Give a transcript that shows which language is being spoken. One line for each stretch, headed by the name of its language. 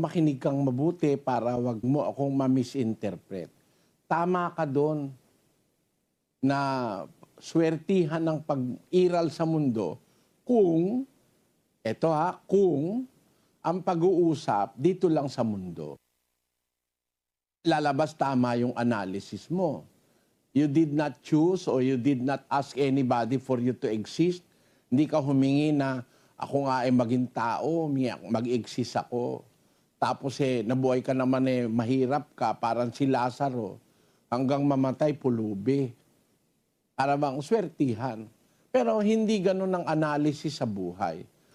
Filipino: Makinig kang mabuti para wag mo akong ma-misinterpret. Tama ka doon na swertihan ng pag-iral sa mundo kung, eto ha, kung ang pag-uusap dito lang sa mundo. Lalabas tama yung analysis mo.
English: You did not choose or you did not ask anybody for you to exist.
Filipino: Hindi ka humingi na ako nga ay maging tao, mag-exist ako. Tapos nabuhay ka naman mahirap ka, parang si Lazaro, hanggang mamatay pulubi. Para bang swertihan. Pero hindi ganun ang analysis sa buhay.